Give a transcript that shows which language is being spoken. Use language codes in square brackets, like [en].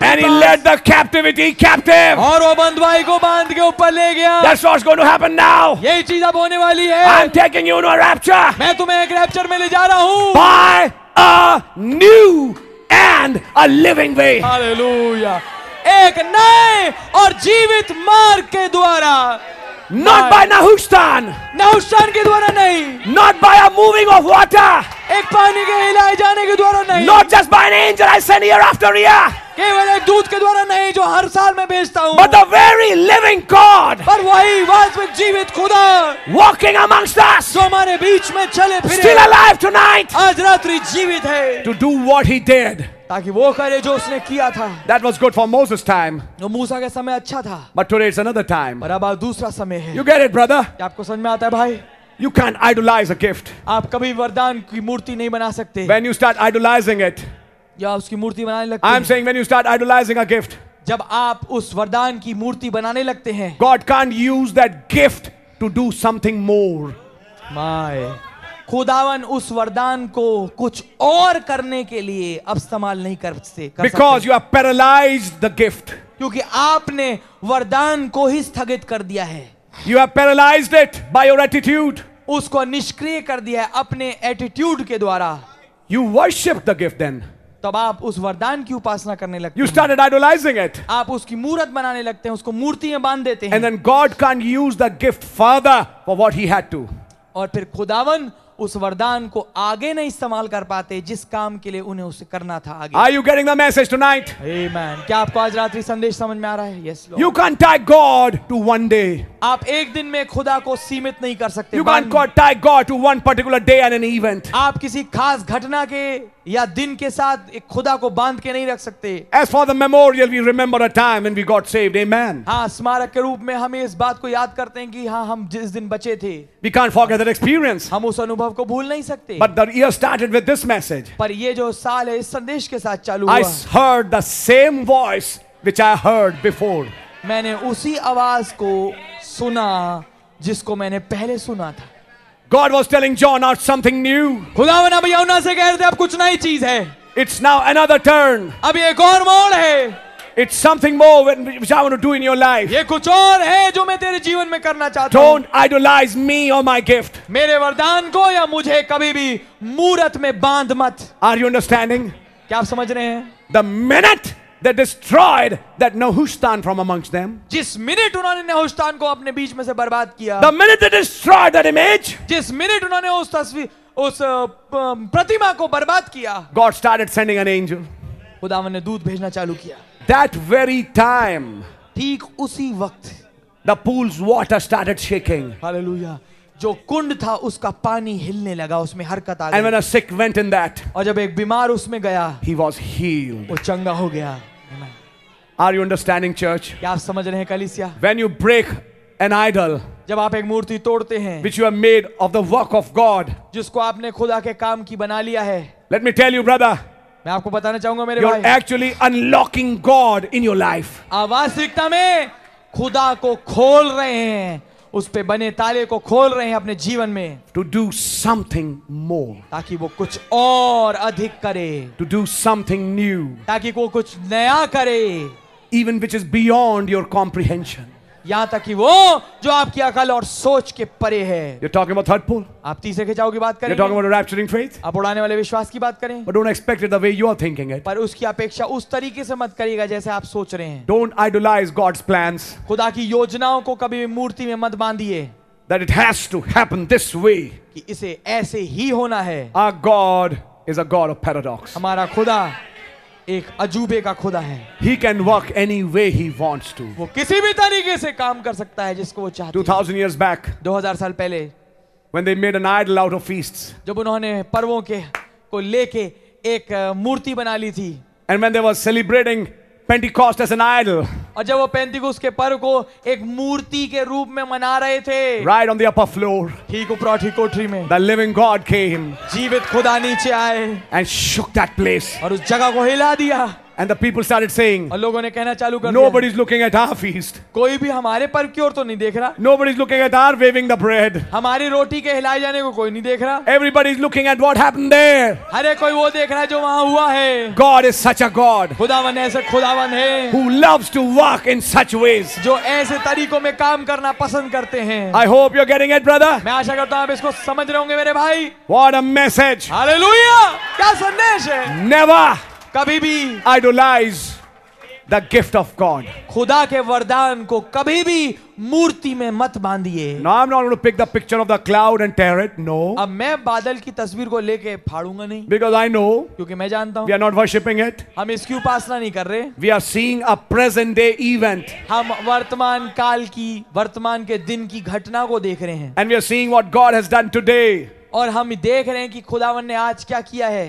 [en] And he led the captivity captive. [hi] और वो बंधुआई को बांध के ऊपर ले गया. [en] That's what's going to happen now. [hi] यही चीज अब होने वाली है. [en] I'm taking you to a rapture. [hi] मैं तुम्हें एक रैप्चर में ले जा रहा हूँ. [en] By a new and a living way. [hi] Hallelujah. Ek naye aur jeevit marg ke dwara. [en] Not by Nahushtan. [hi] Nahushtan ke dwara nahi. [en] Not by a moving of water. [hi] Ek pani ke hilaye jane ke dwara nahi. [en] Not just by an angel I send year after year. [hi] केवल एक दूत के द्वारा नहीं जो हर साल मैं भेजता हूँ, [en] but the very living God, [hi] पर वही वास्तविक जीवित खुदा, [en] walking amongst us, [hi] जो हमारे बीच में चले फिरे, [en] still alive tonight, [hi] आज रात्रि जीवित है, [en] to do what he did, [hi] ताकि वो करे जो उसने किया था, [en] that was good for Moses' time, [hi] जो मूसा के समय अच्छा था, [en] but today it's another time, [hi] पर अब दूसरा समय है, [en] you get it brother, [hi] आपको समझ में आता है भाई? [en] You can't idolize a gift. [hi] आप कभी वरदान की मूर्ति नहीं बना सकते. [en] When you start idolizing it. [hi] उसकी मूर्ति बनाने लगते हैं। [en] I'm saying when you start idolizing a gift, [hi] जब आप उस वरदान की मूर्ति बनाने लगते हैं, [en] God can't use that gift to do something more. [hi] My, खुदावन उस वरदान को कुछ और करने के लिए अब इस्तेमाल नहीं कर सकते। [en] Because you have paralyzed the gift. [hi] क्योंकि आपने वरदान को ही स्थगित कर दिया है। [en] You have paralyzed it by your attitude. [hi] उसको निष्क्रिय कर दिया है अपने एटीट्यूड के द्वारा। [en] You worship the gift then. [hi] तब आप उस वरदान की उपासना करने लगते हैं। [en] You started idolizing it. [hi] आप उसकी मूरत बनाने लगते हैं, उसको मूर्तियां बांध देते हैं। [en] And then God can't use the gift further for what he had to. [hi] और फिर खुदावन उस वरदान को आगे नहीं इस्तेमाल कर पाते जिस काम के लिए उन्हें उसे करना था आगे। [en] Are you getting the message tonight? Amen. [hi] क्या आपको आज रात्रि संदेश समझ में आ रहा है? [en] Yes, Lord. You can't tie God to one day. [hi] आप एक दिन में खुदा को सीमित नहीं कर सकते। [en] You can't tie God to one particular day and an event. [hi] आप किसी खास घटना के या दिन के साथ एक खुदा को बांध के नहीं रख सकते। [en] As for the memorial, we remember a time when we got saved. Amen. [hi] हाँ, स्मारक के रूप में हमें इस बात को याद करते हैं कि हाँ, हम जिस दिन बचे थे। [en] We can't forget that experience. [hi] हम उस अनुभव को भूल नहीं सकते। [en] But the year started with this message. [hi] पर ये जो साल है, इस संदेश के साथ चालू हुआ। [en] I heard the same voice which I heard before. [hi] मैंने उसी आवाज को सुना जिसको मैंने पहले सुना था। [en] God was telling John out something new. [hi] खुदावन अब यूहन्ना से कह रहे थे अब कुछ नई चीज है। [en] It's now another turn. [hi] अब ये एक और मोड़ है। [en] It's something more which I want to do in your life. [hi] ये कुछ और है जो मैं तेरे जीवन में करना चाहता हूँ। [en] Don't idolize me or my gift. [hi] मेरे वरदान को या मुझे कभी भी मूरत में बांध मत। [en] Are you understanding? [hi] क्या आप समझ रहे हैं? [en] The minute they destroyed that Nahushtan from amongst them. [hi] जिस मिनट उन्होंने नहुष्टान को अपने बीच में से बर्बाद किया. [en] The minute they destroyed that image. [hi] जिस मिनट उन्होंने उस तस्वीर, उस प्रतिमा को बर्बाद किया. [en] God started sending an angel. [hi] खुदावन ने दूत भेजना चालू किया. [en] That very time. [hi] ठीक उसी वक्त. [en] The pool's water started shaking. Hallelujah. [hi] जो कुंड था उसका पानी हिलने लगा, उसमें हरकत आ गई। [en] And when a sick went in that, [hi] और जब एक बीमार उसमें गया, [en] he was healed. [hi] वो चंगा हो गया। [en] Are you understanding, church? [hi] क्या आप समझ रहे हैं कलीसिया? [en] When you break an idol, [hi] जब आप एक मूर्ति तोड़ते हैं, [en] which you have made of the work of God, [hi] जिसको आपने खुदा के काम की बना लिया है, [en] let me tell you, brother. [hi] मैं आपको बताना चाहूंगा मेरे भाई। [en] You're actually unlocking God in your life. [hi] आवश्यकता में खुदा को खोल रहे हैं। उस पे बने ताले को खोल रहे हैं अपने जीवन में। [en] To do something more. [hi] ताकि वो कुछ और अधिक करे। [en] To do something new. [hi] ताकि वो कुछ नया करे। [en] Even which is beyond your comprehension. [hi] यहाँ तक कि वो जो आपकी अकल और सोच के परे है। [en] You're talking about third pool. [hi] आप तीसरे खिंचाव की बात करें। [en] You're talking about rapturing faith. [hi] आप उड़ाने वाले विश्वास की बात करें। [en] But don't expect it the way you are thinking it. [hi] पर उसकी अपेक्षा उस तरीके से मत करिएगा जैसे आप सोच रहे हैं। [en] Don't idolize God's plans. [hi] खुदा की योजनाओं को कभी भी मूर्ति में मत बांधिए। [en] That it has to happen this way. [hi] कि इसे ऐसे ही होना है। [en] Our God is a God of paradox. [hi] हमारा खुदा एक अजूबे का खुदा है। [en] He can work any way he wants to. [hi] वो किसी भी तरीके से काम कर सकता है जिसको वो चाहता है। [en] 2000 years back. [hi] 2000 साल पहले. [en] When they made an idol out of feasts. [hi] जब उन्होंने पर्वों के को लेके एक मूर्ति बना ली थी। [en] And when they were celebrating Pentecost as an idol. [hi] और जब वो पेंटिकोस के पर्व को एक मूर्ति के रूप में मना रहे थे। [en] Right on the upper floor. [hi] ठीक ऊपरी कोठरी में। [en] The living God came. [hi] जीवित खुदा नीचे आए। [en] And shook that place. [hi] और उस जगह को हिला दिया। [en] And the people started saying, [hi] लोगों ने कहना चालू कर [en] Nobody is looking at our feast. [hi] कोई भी हमारे पर्व की ओर तो नहीं देख रहा. [en] Nobody is looking at our waving the bread. [hi] हमारी रोटी के हिलाए जाने को कोई नहीं देख रहा. [en] Everybody is looking at what happened there. [hi] हरे कोई वो देख रहा है जो वहाँ हुआ है. [en] God is such a God. [hi] खुदावन ऐसे खुदावन है. [en] Who loves to work in such ways. [hi] जो ऐसे तरीकों में काम करना पसंद करते हैं. [en] I hope you're getting it, brother. [hi] मैं आशा करता हूँ आप इसको समझ रहे होंगे मेरे भाई. [en] What a message. [hi] Hallelujah. क्या संदेश है. [en] Never. [hi] कभी भी [en] idolize the gift of God. [hi] खुदा के वरदान को कभी भी मूर्ति में मत बांधिए. [en] No, I'm not going to pick the picture of the cloud and tear it. No. [hi] अब मैं बादल की तस्वीर को लेके फाड़ूंगा नहीं. [en] Because I know. [hi] क्योंकि मैं जानता हूँ. [en] We are not worshiping it. [hi] हम इसकी उपासना नहीं कर रहे. [en] We are seeing a present day event. [hi] हम वर्तमान काल की वर्तमान के दिन की घटना को देख रहे हैं. [en] And we are seeing what God has done today. [hi] और हम देख रहे हैं कि खुदावन ने आज क्या किया है.